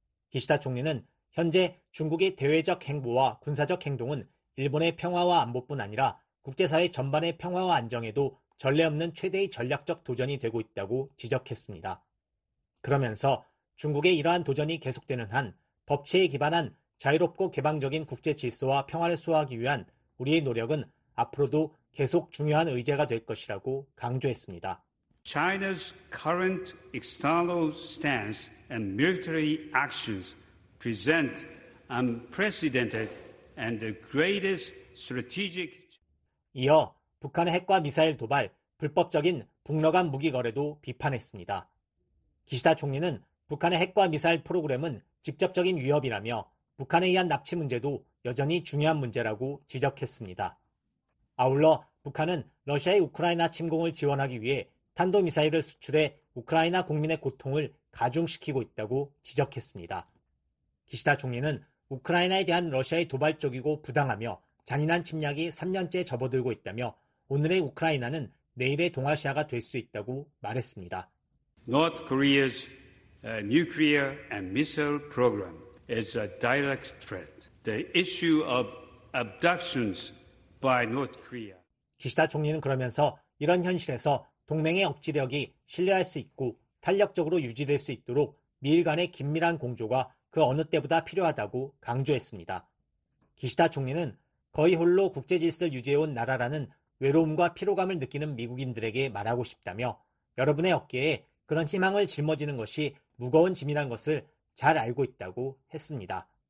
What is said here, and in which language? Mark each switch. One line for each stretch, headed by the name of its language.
Korean: 기시다 총리는 현재 중국의 대외적 행보와 군사적 행동은 일본의 평화와 안보뿐 아니라 국제사회 전반의 평화와 안정에도 전례 없는 최대의 전략적 도전이 되고 있다고 지적했습니다. 그러면서 중국의 이러한 도전이 계속되는 한 법치에 기반한 자유롭고 개방적인 국제 질서와 평화를 수호하기 위한 우리의 노력은 앞으로도 계속 중요한 의제가 될 것이라고 강조했습니다.
English: China's current external stance and military actions present unprecedented and the greatest strategic.
Korean: 이어 북한의 핵과 미사일 도발, 불법적인 북러 간 무기 거래도 비판했습니다. 기시다 총리는 북한의 핵과 미사일 프로그램은 직접적인 위협이라며 북한에 의한 납치 문제도 여전히 중요한 문제라고 지적했습니다. 아울러 북한은 러시아의 우크라이나 침공을 지원하기 위해 탄도미사일을 수출해 우크라이나 국민의 고통을 가중시키고 있다고 지적했습니다. 기시다 총리는 우크라이나에 대한 러시아의 도발적이고 부당하며 잔인한 침략이 3년째 접어들고 있다며 오늘의 우크라이나는 내일의 동아시아가 될 수 있다고 말했습니다.
English: North Korea's nuclear and missile program is a direct threat. The issue of abductions by North Korea.
Korean: 기시다 총리는 그러면서 이런 현실에서 동맹의 억지력이 신뢰할 수 있고 탄력적으로 유지될 수 있도록 미일 간의 긴밀한 공조가 그 어느 때보다 필요하다고 강조했습니다. 기시다 총리는 거의 홀로 국제질서를 유지해온 나라라는 외로움과 피로감을 느끼는 미국인들에게 말하고 싶다며 여러분의 어깨에 그런 희망을 짊어지는 것이 무거운 짐이란 것을 잘 알고 있다고 했습니다.